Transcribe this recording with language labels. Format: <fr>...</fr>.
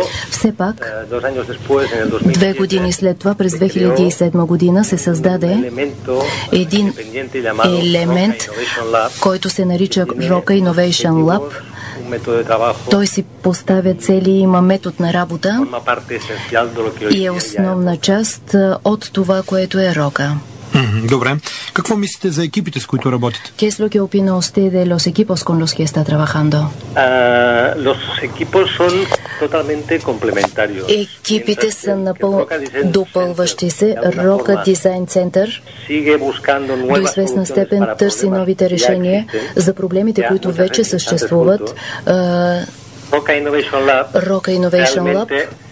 <bg>Все пак, 2 години след това, през 2007 година, се създаде един елемент, който се нарича Рока и Innovation Lab. Той си поставя цели и има метод на работа и е основна част от това, което е Рока. Добре. Какво мислите за екипите, с които работите?</bg> <es>¿Qué es lo que opina usted de los equipos con los que está trabajando? Los equipos son totalmente complementarios.</es> <bg>Екипите са напълно допълващи се. Рока Дизайн Център до известна степен търси новите решения за проблемите, които вече съществуват. Рока Innovation Lab</bg>